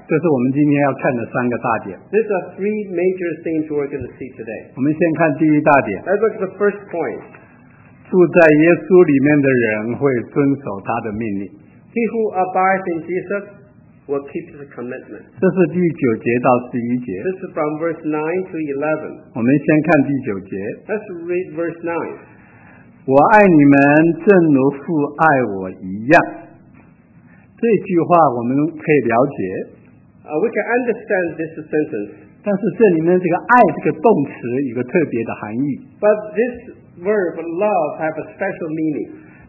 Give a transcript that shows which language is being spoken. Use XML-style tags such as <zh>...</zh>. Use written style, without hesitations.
<zh>这是我们今天要看的三个大点。</zh> <en>These are three major things we're going to see today.</en> <zh>我们先看第一大点。</zh> <en>Let's look at the first point.</en> <zh>住在耶稣里面的人会遵守他的命令。</zh> <en>He who abides in Jesus will keep his commitment.</en> <zh>这是第九节到十一节。</zh> <en>This is from verse 9 to 11.</en> <zh>我们先看第九节。</zh> <en>Let's read verse 9.</en> <zh>我爱你们，正如父爱我一样。这句话我们可以了解。</zh> <en>We can understand this sentence.</en> <zh>但是这里面这个爱这个动词有个特别的含义。</zh> <en>But this verb love have a special meaning.</en>